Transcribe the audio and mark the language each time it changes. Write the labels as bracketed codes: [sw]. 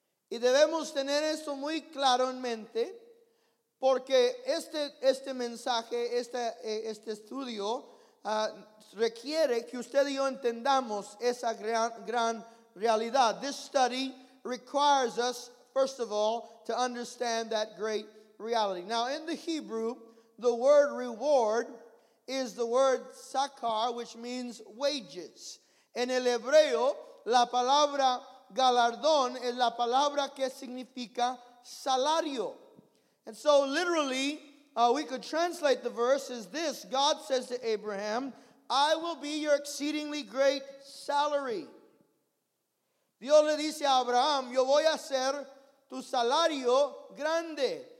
[es] Y debemos tener esto muy claro en mente, porque este mensaje, este estudio, requiere que usted y yo entendamos esa gran realidad. [en] This study requires us, first of all, to understand that great reality. Now, in the Hebrew, the word reward is the word sakar, which means wages. [es] En el Hebreo, la palabra galardón es la palabra que significa salario. [en] And so, literally, we could translate the verse as this. God says to Abraham, I will be your exceedingly great salary. [es] Dios le dice a Abraham, yo voy a ser tu salario grande.